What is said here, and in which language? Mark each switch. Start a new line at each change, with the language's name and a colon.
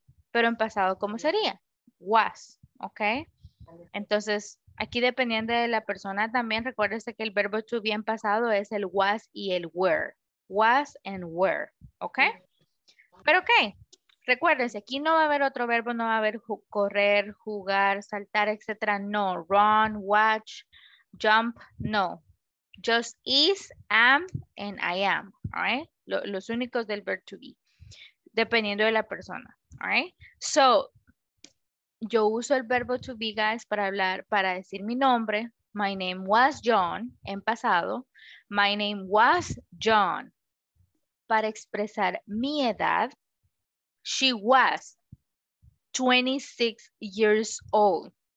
Spanish: Pero en pasado, ¿cómo sería? Was, ¿ok? Entonces, aquí dependiendo de la persona también, recuérdese que el verbo to be en pasado es el was y el were. Was and were, ¿ok? Pero ok, Recuérdense, aquí no va a haber otro verbo, no va a haber correr, jugar, saltar, etcétera.
English: No, run, watch, jump, no. Just is, am, and I am, all right?
Spanish: Los únicos del verb to be, dependiendo de la persona,
English: all right?
Spanish: So, yo uso el verbo to be, guys, para hablar, para decir mi nombre.
English: My name was John,
Spanish: en pasado.
English: My name was John.
Spanish: Para expresar mi edad,
English: she was 26 years old.